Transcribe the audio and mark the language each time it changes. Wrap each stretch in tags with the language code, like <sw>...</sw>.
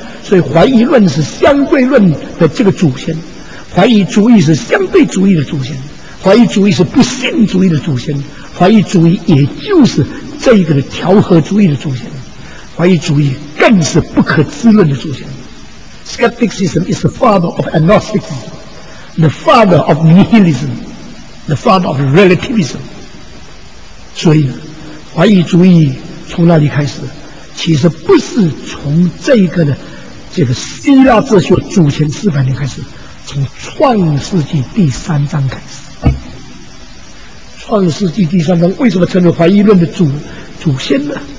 <zh>所以怀疑论是相对论的这个祖先，怀疑主义是相对主义的祖先，怀疑主义是不信主义的祖先，怀疑主义也就是这一个的调和主义的祖先，怀疑主义更是不可知论的祖先。</zh> <en>Skepticism is the father of agnosticism, the father of nihilism, the father of relativism。</en> <zh>所以怀疑主义从哪里开始？其实不是从这一个的这个希腊哲学祖先四百年开始，从创世纪第三章开始。创世纪第三章为什么成为怀疑论的祖先呢？</zh>